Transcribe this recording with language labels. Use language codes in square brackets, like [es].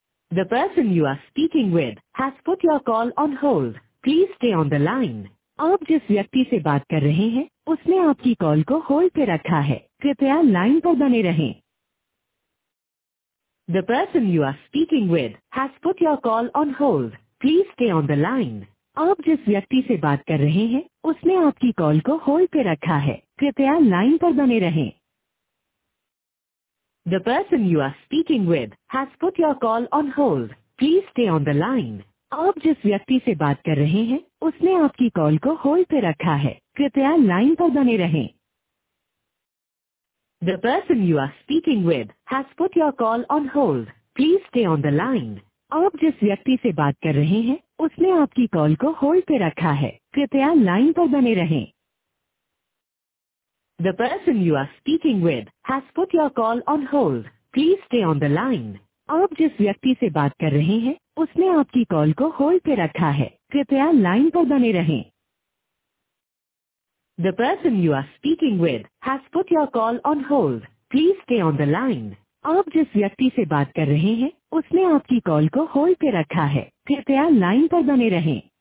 [en] The person you are speaking with has put your call on hold. Please stay on the line. [hi] आप जिस व्यक्ति से बात कर रहे हैं उसने आपकी कॉल को होल्ड पे रखा है, कृपया लाइन पर बने रहें। [en] The person you are speaking with has put your call on hold. Please stay on the line. [hi] आप जिस व्यक्ति से बात कर रहे हैं उसने आपकी कॉल को होल्ड पे रखा है, कृपया लाइन पर बने रहें। [en] The person you are speaking with has put your call on hold. Please stay on the line. [hi] आप जिस व्यक्ति से बात कर रहे हैं उसने आपकी कॉल को होल्ड पे रखा है, कृपया लाइन पर बने रहें। [en] The person you are speaking with has put your call on hold. Please stay on the line. [hi] आप जिस व्यक्ति से बात कर रहे हैं उसने आपकी कॉल को होल्ड पे रखा है, कृपया लाइन पर बने रहें। [en] The person you are speaking with has put your call on hold. Please stay on the line. [hi] आप जिस व्यक्ति से बात कर रहे हैं उसने आपकी कॉल को होल्ड पे रखा है, कृपया लाइन पर बने रहें। [en] The person you are speaking with has put your call on hold, please stay on the line. [hi] आप जिस व्यक्ति से बात कर रहे हैं उसने आपकी कॉल को होल्ड पे रखा है, कृपया लाइन पर बने रहें।